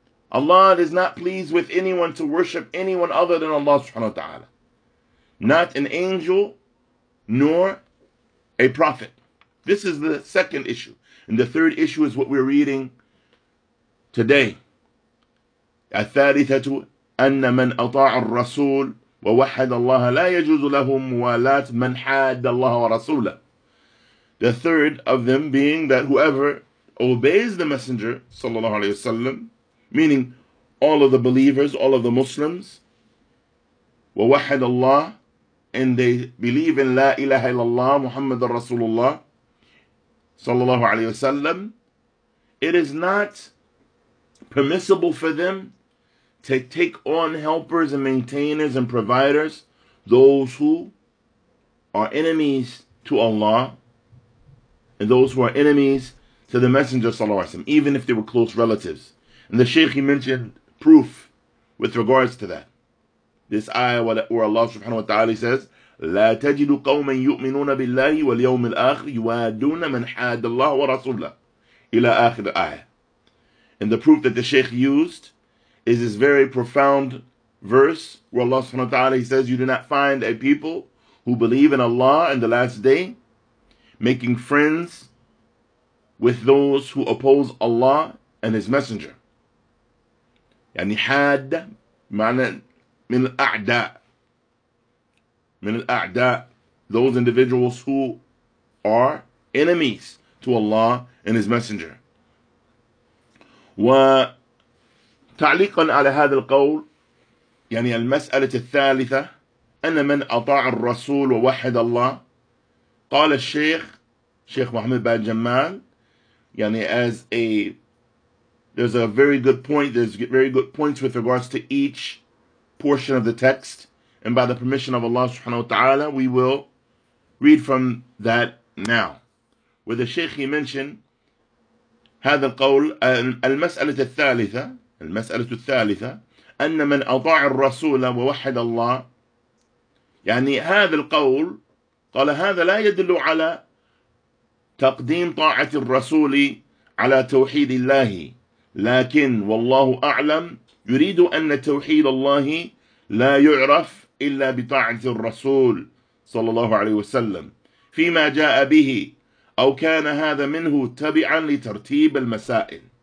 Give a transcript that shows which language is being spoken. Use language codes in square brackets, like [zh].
[en] Allah is not pleased with anyone to worship anyone other than Allah subhanahu wa ta'ala. Not an angel, nor a prophet. This is the second issue. And the third issue is what we're reading today. [ar] الثالثة أن من أطاع الرسول ووحد الله لا يجوز له موالاة من حاد الله ورسوله. [en] The third of them being that whoever obeys the messenger, sallallahu alayhi wa sallam, meaning all of the believers, all of the Muslims, [ar] ووحد الله, [en] and they believe in La ilaha illallah, Muhammad Rasulullah, sallallahu alayhi wa sallam, it is not permissible for them to take on helpers and maintainers and providers, those who are enemies to Allah, and those who are enemies to the Messenger, sallallahu alayhi wa sallam, even if they were close relatives. And the Shaykh, he mentioned proof with regards to that. This ayah where Allah subhanahu wa ta'ala says, [ar] لَا تَجِدُ قَوْمًا يُؤْمِنُونَ بِاللَّهِ وَالْيَوْمِ الْآخِرِ يُوَادُونَ مَنْ حَادَ اللَّهُ وَرَسُولَهُ إِلَىٰ آخِرِ الْآيَةِ. [en] And the proof that the Shaykh used is this very profound verse where Allah subhanahu wa ta'ala, he says, you do not find a people who believe in Allah in the last day making friends with those who oppose Allah and his messenger. [ar] يعني حاد معنى من الأعداء. من الأعداء, [en] those individuals who are enemies to Allah and his messenger. [ar] وتعليقا على هذا القول, يعني المسألة الثالثة, أن من أطاع الرسول ووحد الله, قال الشيخ محمد بن جمال, يعني [en] as a, there's a very good point, there's very good points with regards to each portion of the text. And by the permission of Allah subhanahu wa ta'ala, we will read from that now. Where the Shaykh, he mentioned, [ar] هذا القول, المسألة الثالثة, المسألة الثالثة, أن من أطاع الرسول ووحد الله, يعني هذا القول, قال هذا لا يدل على تقديم طاعة الرسول على توحيد الله, لكن والله أعلم, يريد أن توحيد الله لا يعرف إلا بطاعة الرسول صلى الله عليه وسلم فيما جاء به أو كان هذا منه تبعا لترتيب المسائل.